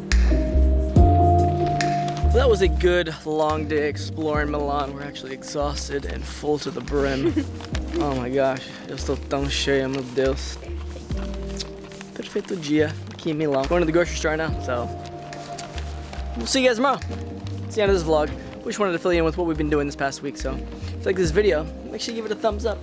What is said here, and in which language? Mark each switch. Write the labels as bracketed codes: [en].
[en] That was a good long day exploring Milan. We're actually exhausted and full to the brim. Oh my gosh, [pt] eu estou tão cheio, meu Deus. Perfeito dia aqui em Milão. [en] Going to the grocery store now, so we'll see you guys tomorrow. It's the end of this vlog. We just wanted to fill you in with what we've been doing this past week, so if you like this video, make sure you give it a thumbs up.